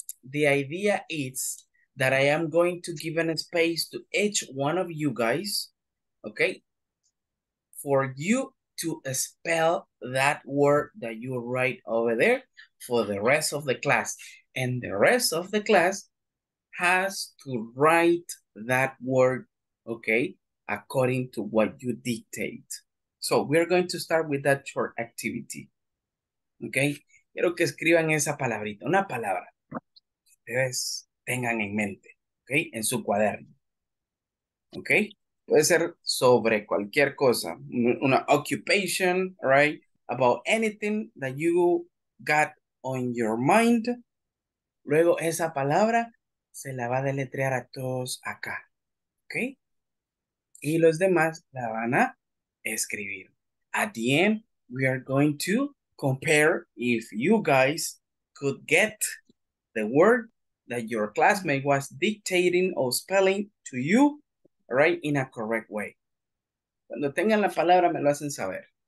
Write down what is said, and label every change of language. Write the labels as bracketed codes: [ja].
[en] The idea is that I am going to give a space to each one of you guys, okay, for you to spell that word that you write over there for the rest of the class. And the rest of the class has to write that word, okay, according to what you dictate. So we're going to start with that short activity. [es] Okay? Quiero que escriban esa palabrita, una palabra. Ustedes tengan en mente, okay, en su cuaderno. Okay? Puede ser sobre cualquier cosa, una occupation, right? [en] About anything that you got on your mind. [es] Luego esa palabra se la va a deletrear a todos acá, okay? Y los demás la van a escribir. [en] At the end, we are going to compare if you guys could get the word that your classmate was dictating or spelling to you, right, in a correct way. [es] Cuando tengan la palabra, me lo hacen saber.